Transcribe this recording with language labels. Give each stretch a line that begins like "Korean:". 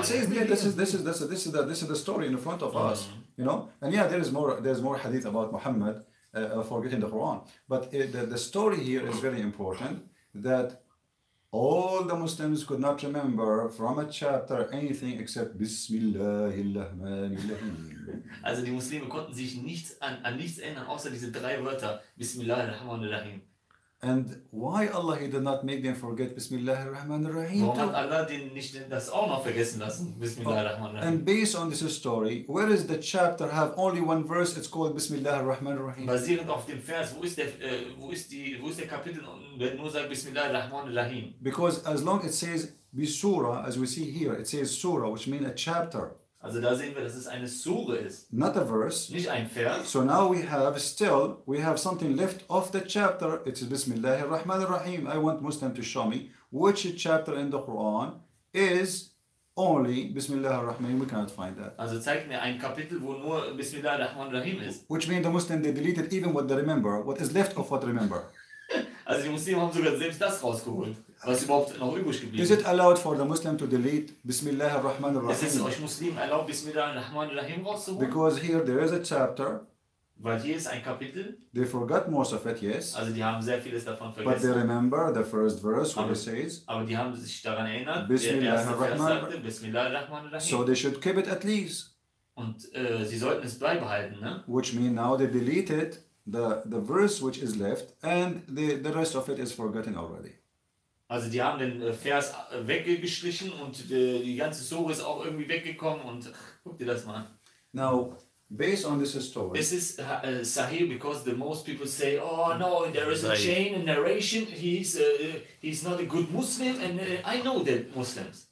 English: It says, yeah, this is the story in front of us, you know. And yeah, there is more hadith about Muhammad forgetting the Quran. But the story here is very important, that all the Muslims could not remember from a chapter anything except Bismillahirrahmanirrahim.
German: Also, die Muslime konnten sich nichts an nichts erinnern, außer diese drei Wörter Bismillahirrahmanirrahim.
English: And why Allah He did not make them forget Bismillahirrahmanirrahim?
German: Warum hat Allah den nicht das auch noch vergessen lassen?
Arabic: Bismillahirrahmanirrahim.
English: And based on this story, where is the chapter have only one verse? It's called Bismillahirrahmanirrahim.
German: Basierend auf dem Vers, wo ist der Kapitel, wenn nur sagt Bismillahirrahmanirrahim?
English: Because as long as it says Bisura, as we see here, it says Surah, which means a chapter.
German: Also da sehen wir, dass es eine Sure ist.
English: Not a verse.
German: Nicht ein Vers.
English: So now we have something left of the chapter. It is Bismillahirrahmanirrahim. I want Muslim to show me which chapter in the Quran is only Bismillahirrahmanirrahim. We cannot find that.
German: Also zeig mir ein Kapitel, wo nur Bismillahirrahmanirrahim ist.
English: Which means the Muslim, they deleted even what they remember, what is left of what they remember.
German: Also die Muslime haben sogar selbst das rausgeholt. Was überhaupt noch übrig geblieben?
English: Is it allowed for the Muslim to delete Bismillahirrahmanirrahim?
German: Ist es euch Muslimen erlaubt, Bismillahirrahmanirrahim rauszuholen?
English: Because here there is a chapter.
German: Weil hier ist ein Kapitel.
English: They forgot most of it, yes.
German: Also die haben sehr vieles davon vergessen.
English: But they remember the first verse, what it says.
German: Aber die haben sich daran erinnert. Bismillahirrahmanirrahim.
English: So they should keep it at least.
German: Und sie sollten es beibehalten, ne?
English: Which means now they deleted the verse which is left and the rest of it is forgotten already.
German: Also die haben den Vers weggestrichen und die ganze Sura ist auch irgendwie weggekommen und guck dir das mal an.
English: Now, based on this story. This is Sahih because the most people say, oh no, there is a chain in narration, he's not a good Muslim and I know the Muslims.